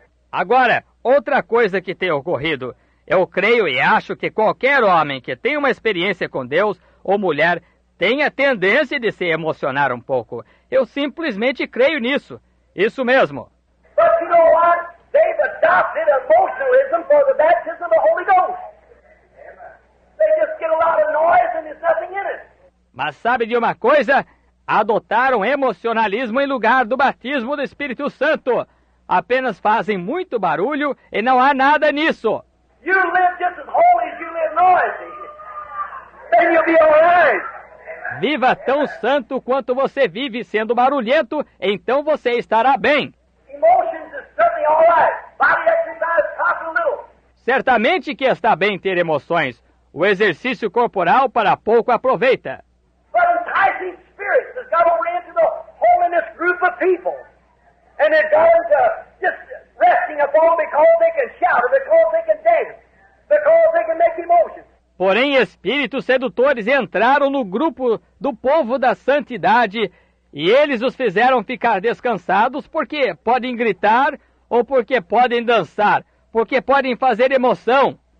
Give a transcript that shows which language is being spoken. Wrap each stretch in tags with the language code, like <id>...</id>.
<pt>Agora, outra coisa que tem ocorrido. Eu creio e acho que qualquer homem que tenha uma experiência com Deus ou mulher tem a tendência de se emocionar um pouco. Eu simplesmente creio nisso. Isso mesmo.</pt> <en>But you know what? They've adopted emotionalism for the baptism of the Holy Ghost. They just get a lot of noise and there's nothing in it.</en> <pt>Mas sabe de uma coisa? Adotaram emocionalismo em lugar do batismo do Espírito Santo. Apenas fazem muito barulho e não há nada nisso.</pt> <en>You live just as holy as you live noisy. Then you'll be all right.</en> <pt>Viva tão santo quanto você vive sendo barulhento, então você estará bem.</pt> <en>Emotions is certainly all right. Body exercise talk a little.</en> <pt>Certamente que está bem ter emoções. O exercício corporal para pouco aproveita.</pt> <en>But enticing spirits has got over into the holiness group of people. And it goes just resting upon because they can shout or because they can dance. Because they can make emotions.</en> <pt>Porém, espíritos sedutores entraram no grupo do povo da santidade e eles os fizeram ficar descansados porque podem gritar ou porque podem dançar, porque podem fazer emoção.</pt>